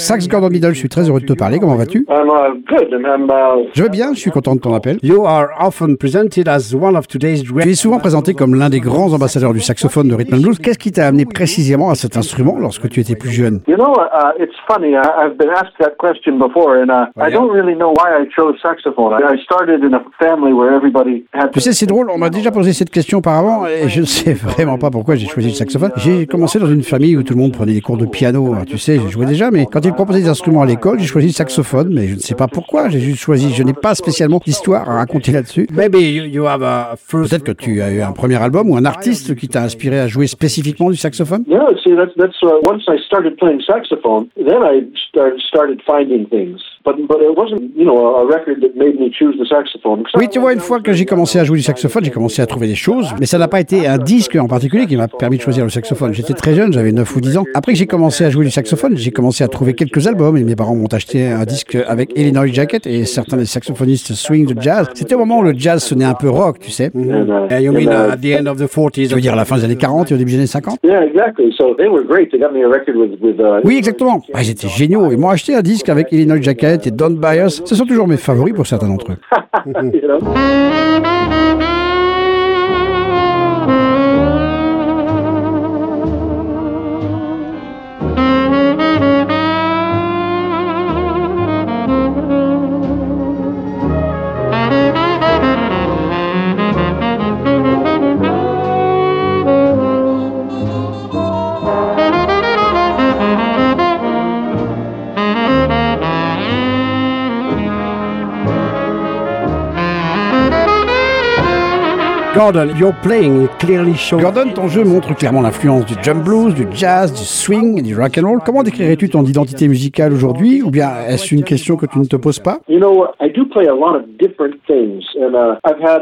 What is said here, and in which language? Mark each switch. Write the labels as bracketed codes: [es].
[fr] Sax Gordon Biddle, je suis très heureux de te parler. Comment vas-tu? Je vais bien, je suis content de ton appel. [en] You are often presented as one of today's great. [fr] Tu es souvent présenté comme l'un des grands ambassadeurs du saxophone de rhythm and blues. Qu'est-ce qui t'a amené précisément à cet instrument lorsque tu étais plus jeune? [en] You know, it's funny. I've been asked that question before, and I don't really know why I chose saxophone. I started in a family where everybody had. [fr] Tu sais, c'est drôle. On m'a déjà posé cette question auparavant, et je ne sais vraiment pas pourquoi j'ai choisi le saxophone. J'ai commencé dans une famille où tout le monde prenait des cours de piano. Tu sais, je jouais déjà, mais quand ils proposaient des instruments à l'école, j'ai choisi le saxophone, mais je ne sais pas pourquoi. J'ai juste choisi. Je n'ai pas spécialement d'histoire à raconter là-dessus. [en] Maybe you have a first. [fr] Peut-être que tu as eu un premier album ou un artiste qui t'a inspiré à jouer spécifiquement du saxophone. [en] Yeah, see, that's once I started playing saxophone, then I started finding things. But it wasn't, you know, a record that made me choose the saxophone. [fr] Oui, tu vois, une fois que j'ai commencé à jouer du saxophone, j'ai commencé à trouver des choses, mais ça n'a pas été un disque en particulier qui m'a permis de choisir le saxophone. J'étais très jeune, j'avais 9 ou 10 ans. Après que j'ai commencé à jouer du saxophone, j'ai commencé à trouver quelques albums et mes parents m'ont acheté un disque avec Illinois Jacket et certains des saxophonistes swing de jazz. C'était au moment où le jazz sonnait un peu rock, tu sais. [en] And you mean at the end of the 40s. [fr] Tu veux dire à la fin des années 40 et au début des années 50? [en] Yeah, exactly. So they were great. They got me a record with [fr] Oui, exactement. Ah, ils étaient géniaux. Ils m'ont acheté un disque avec Illinois Jacket et Don Byers. Ce sont toujours mes favoris pour certains d'entre eux. [en] Gordon, your playing clearly shows. [fr] Gordon, ton jeu montre clairement l'influence du jump blues, du jazz, du swing et du rock and roll. Comment décrirais-tu ton identité musicale aujourd'hui, ou bien est-ce une question que tu ne te poses pas? [en] You know, I do play a lot of different things, and I've had.